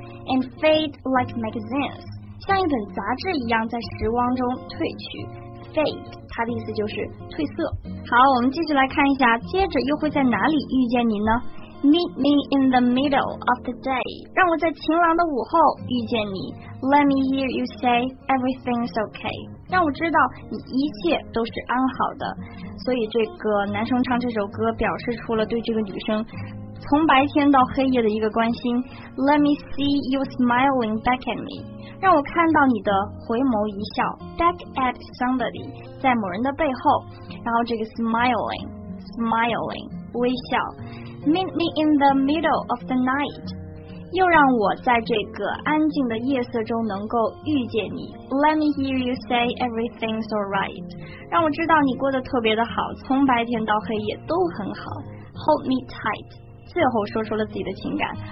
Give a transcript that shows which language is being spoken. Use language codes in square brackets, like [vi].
[en] And fade like magazines [zh] 像一本杂志一样在时光中褪去 [en] Fade [zh] 它的意思就是褪色好我们继续来看一下接着又会在哪里遇见您呢 [en] Meet me in the middle of the day. [zh] 让我在晴朗的午后遇见你。 [en] Let me hear you say everything's okay. [zh] 让我知道你一切都是安好的。所以这个男生唱这首歌表示出了对这个女生从白天到黑夜的一个关心。 [en] Let me see you smiling back at me. [zh] 让我看到你的回眸一笑。 [en] Back at somebody, [zh] 在某人的背后。然后这个 smiling, 微笑。 [en] Meet me in the middle of the night [zh] 又让我在这个安静的夜色中能够遇见你 [en] Let me hear you say everything's alright [zh] 让我知道你过得特别的好从白天到黑夜都很好 [en] Hold me tight [zh] 最后说出了自己的情感